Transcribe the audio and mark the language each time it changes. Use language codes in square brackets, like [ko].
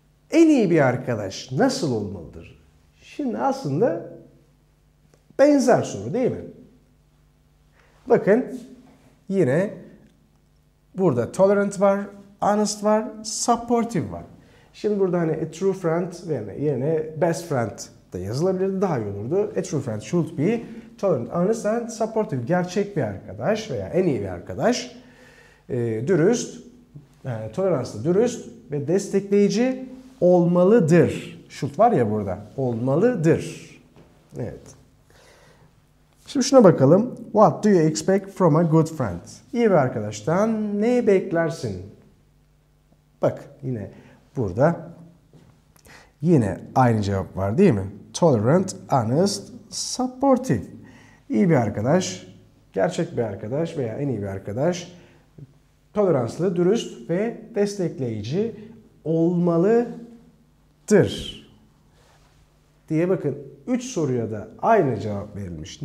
[tr] En iyi bir arkadaş nasıl olmalıdır? Şimdi aslında benzer soru değil mi? Bakın, yine burada tolerant var, honest var, supportive var. Şimdi burada hani [en] a true friend [tr] yerine [en] best friend [tr] de yazılabilirdi, daha iyi olurdu. [en] A true friend should be tolerant, honest and supportive. [tr] Gerçek bir arkadaş veya en iyi bir arkadaş dürüst, yani toleranslı, dürüst ve destekleyici olmalıdır. Should var ya burada. Olmalıdır. Evet. Şimdi şuna bakalım. [en] What do you expect from a good friend? [tr] İyi bir arkadaştan ne beklersin? Bak yine burada yine aynı cevap var değil mi? [en] Tolerant, honest, supportive. [tr] İyi bir arkadaş, gerçek bir arkadaş veya en iyi bir arkadaş toleranslı, dürüst ve destekleyici olmalıdır diye bakın 3 soruya da aynı cevap verilmiş.